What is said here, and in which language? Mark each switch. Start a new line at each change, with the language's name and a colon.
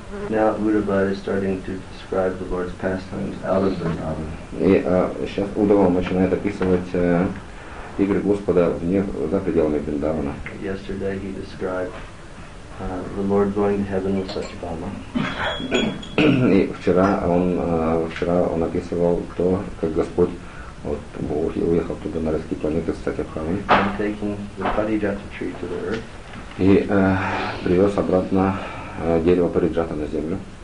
English: Now Udhava is starting to describe the Lord's pastimes out of Vrindavan.
Russian: И сейчас Удава начинает описывать игры Господа вне, за пределами Вриндавана.
English: Yesterday he described the Lord going to heaven with Satyabhama.
Russian: И вчера он описывал то, как Господь вот уехал туда на райские планеты с Сатьябхамой.
English: And taking the Парижата tree to the earth.
Russian: И привез обратно дерево Париджата на землю.